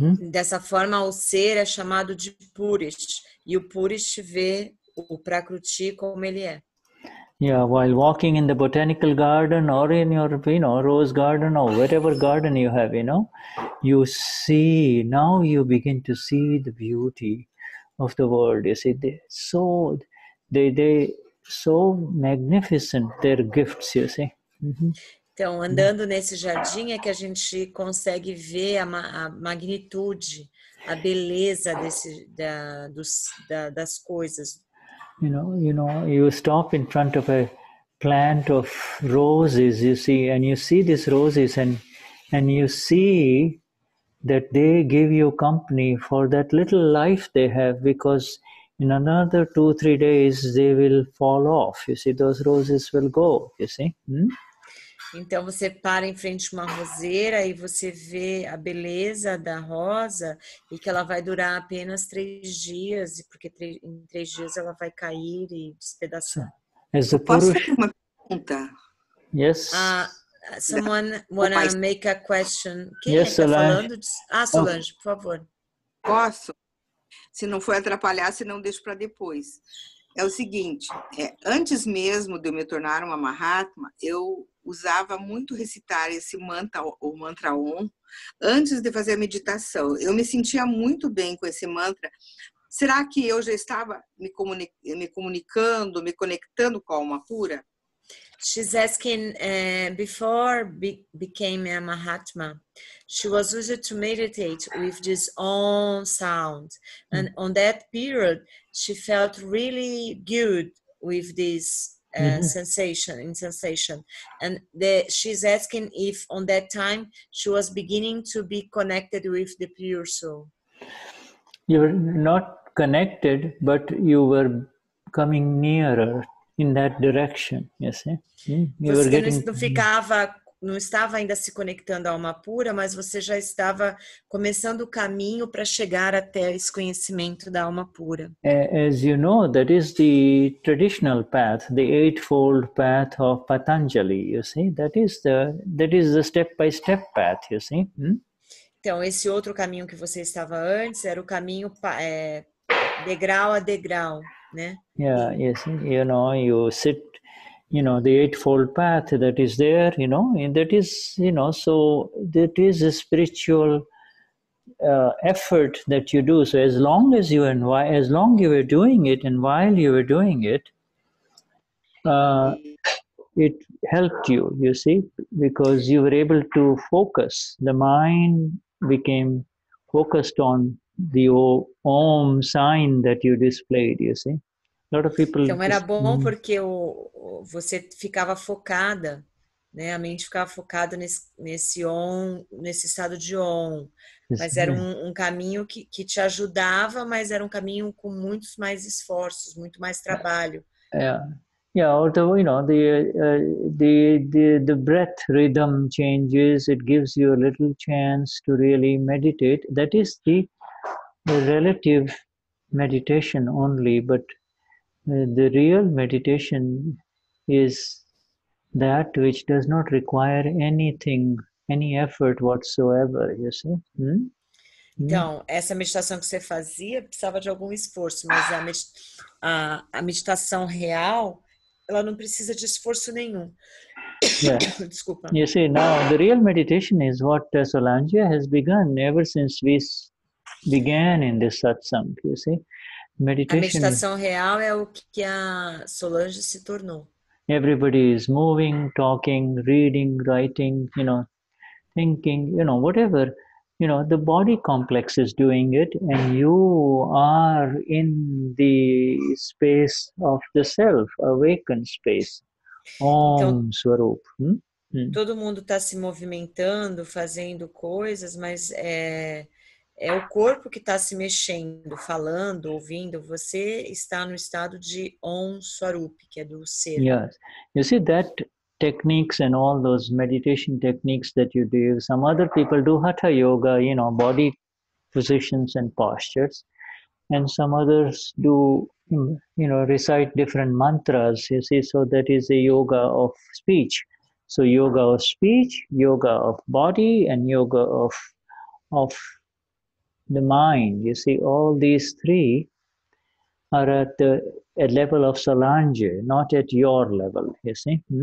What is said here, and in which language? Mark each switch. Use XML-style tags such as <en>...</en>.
<pt>Dessa forma, o ser é chamado de Purish, e o Purish vê o Prakruti como ele é.</pt> <en>Yeah, while walking in the botanical garden or in your, you know, rose garden or whatever garden you have, you know, you see, now you begin to see the beauty of the world, you see, so magnificent their gifts, you see.</en> <pt>Então, andando nesse jardim é que a gente consegue ver a magnitude a beleza desse da dos da, das coisas.</pt> <en>You know, you stop in front of a plant of roses, you see, and you see these roses and you see that they give you company for that little life they have, because in another 2-3 days they will fall off. You see, those roses will go, you see.</en> <pt>Então você para em frente a uma roseira e você vê a beleza da rosa e que ela vai durar apenas 3 dias, porque em 3 dias ela vai cair e despedaçar. Posso fazer uma pergunta?</pt> <en>Yes. Someone wanna make a question.</en> <pt>Quem yes, é que está falando? Ah, Solange, por favor. Posso? Se não for atrapalhar, se não deixo para depois. É o seguinte, antes mesmo de eu me tornar uma Mahatma, eu usava muito recitar esse mantra, o mantra Om, antes de fazer a meditação. Eu me sentia muito bem com esse mantra. Será que eu já estava me comunicando, me conectando com a alma pura?</pt> <en>She's asking, before became a Mahatma, she was used to meditate with this Om sound. And on that period, she felt really good with this sensation. And she's asking if on that time she was beginning to be connected with the pure soul. You're not connected, but you were coming nearer in that direction, you see? You were getting...</en> <pt>Não ficava, não estava ainda se conectando à alma pura, mas você já estava começando o caminho para chegar até esse conhecimento da alma pura.</pt> <en>As you know, that is the traditional path, the eightfold path of Patanjali, you see? That is the step-by-step path, you see?</en> <pt>Então, esse outro caminho que você estava antes era o caminho degrau a degrau, né?</pt> <en>Yeah, yes, you know, you sit... You know, the eightfold path that is there, you know, and that is, you know, so that is a spiritual effort that you do. So as long as you were doing it, it helped you, you see, because you were able to focus. The mind became focused on the Om sign that you displayed, you see.</en> <pt>Então era bom porque você ficava focada, né? A mente ficava focada nesse estado de Om. Mas era um caminho que te ajudava, mas era um caminho com muitos mais esforços, muito mais trabalho.</pt> <en>Yeah, although, you know, the breath rhythm changes, it gives you a little chance to really meditate. That is the relative meditation only, but the real meditation is that which does not require anything, any effort whatsoever, you see?</en> <pt>Então, essa meditação que você fazia precisava de algum esforço, mas a meditação real, ela não precisa de esforço nenhum.</pt> <en>Yeah.</en> <pt>Desculpa.</pt> <en>You see, now, the real meditation is what Solange has begun ever since we began in this satsang, you see? Meditation.</en> <pt>A meditação real é o que a Solange se tornou.</pt> <en>Everybody is moving, talking, reading, writing, you know, thinking, you know, whatever. You know, the body complex is doing it and you are in the space of the self, awakened space. Om Swarupa.</en> <pt>Todo mundo está se movimentando, fazendo coisas, mas é o corpo que está se mexendo, falando, ouvindo. Você está no estado de Om Swarupa, que é do ser.</pt> <en>Yes. You see, that techniques and all those meditation techniques that you do, some other people do hatha yoga, you know, body positions and postures. And some others do, you know, recite different mantras, you see. So that is a yoga of speech. So yoga of speech, yoga of body, and yoga of the mind, you see, all these three are at a level of Solange, not at your level, you see?</en>